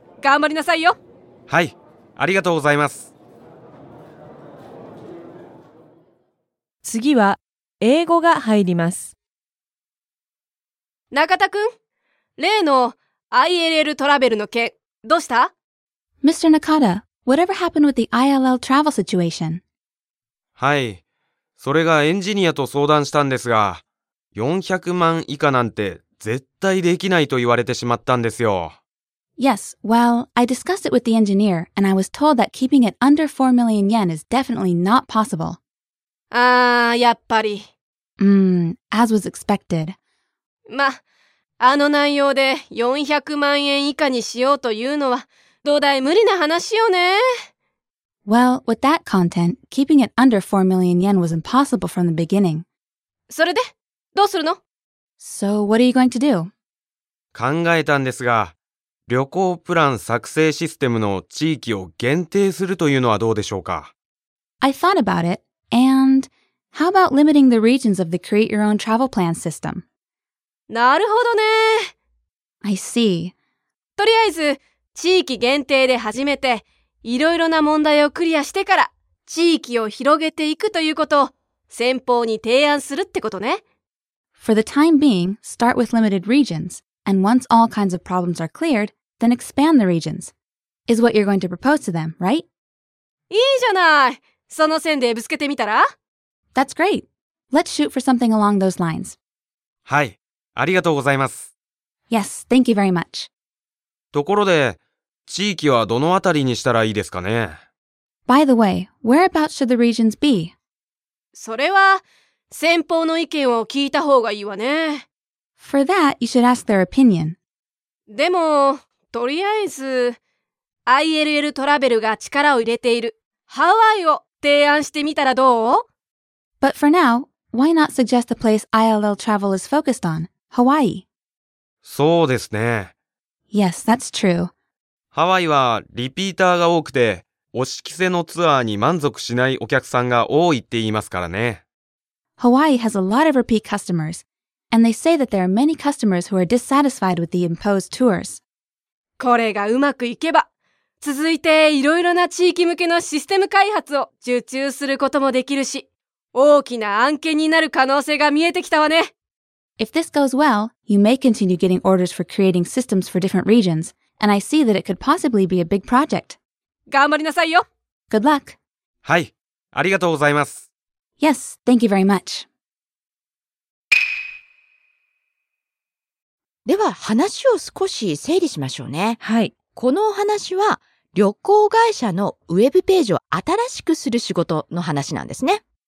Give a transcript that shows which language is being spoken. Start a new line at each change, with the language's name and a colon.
Japanese: 頑張りなさいよ。はい、ありがとうございます。次は英語が入ります。中田くん、例の ILL トラベルの件、どうした?
English: Mr. Nakata, whatever happened with the ILL travel situation?
Japanese: はい、それがエンジニアと相談したんですが、400万以下なんて絶対できないと言われてしまったんですよ。
English: Yes, well, I discussed it with the engineer and I was told that keeping it under 4 million yen is definitely not possible.
Japanese: あー、やっぱり。
English: As was expected.
Japanese: ま、あの内容で400万円以下にしようというのは、どうだい無理な話よね。
English: Well, with that content, keeping it under 4 million yen was impossible from the beginning.
Japanese: それで、どうするの?
English: So, what are you going to do?
Japanese: 考えたんですが、旅行プラン作成システムの地域を限定するというのはどうでしょうか?
English: I thought about it. And how about limiting the regions of the Create Your Own Travel Plan system?
Japanese: なるほどね。
English: I see.
Japanese: とりあえず地域限定で始めて、いろいろな問題をクリアしてから地域を広げていくということを先方に提案するってことね。
English: For the time being, start with limited regions, and once all kinds of problems are cleared, then expand the regions. Is what you're going to propose to them, right?
Japanese: いいじゃない。その線でぶつけてみたら?
English: That's great. Let's shoot for something along those lines.
Japanese: はい、ありがとうございます。
English: Yes, thank you very much.
Japanese: ところで、地域はどのあたりにしたらいいですかね?
English: By the way, whereabouts should the regions be?
Japanese: それは、先方の意見を聞いた方がいいわね。
English: For that, you should ask their opinion.
Japanese: でも、とりあえず、ILL トラベルが力を入れているハワイを提案してみたらどう?
English: But for now, why not suggest the place ILL Travel is focused on, Hawaii?
Japanese: そうですね。
English: Yes, that's true.
Japanese: ハワイはリピーターが多くて、押し着せのツアーに満足しないお客さんが多いって言いますからね。
English: Hawaii has a lot of repeat customers, and they say that there are many customers who are dissatisfied with the imposed tours.
Japanese: これがうまくいけば、続いていろいろな地域向けのシステム開発を受注することもできるし、大きな案件になる可能性が見えてきたわね。
English: If this goes well, you may continue getting orders for creating systems for different regions, and I see that it could possibly be a big project.
Japanese: 頑張りなさいよ。
English: Good luck.
Japanese: はい、ありがとうございます。
English: Yes, thank you very much.
Japanese: では話を少し整理しましょうね。はい。このお話は旅行会社のウェブページを新しくする仕事の話なんですね。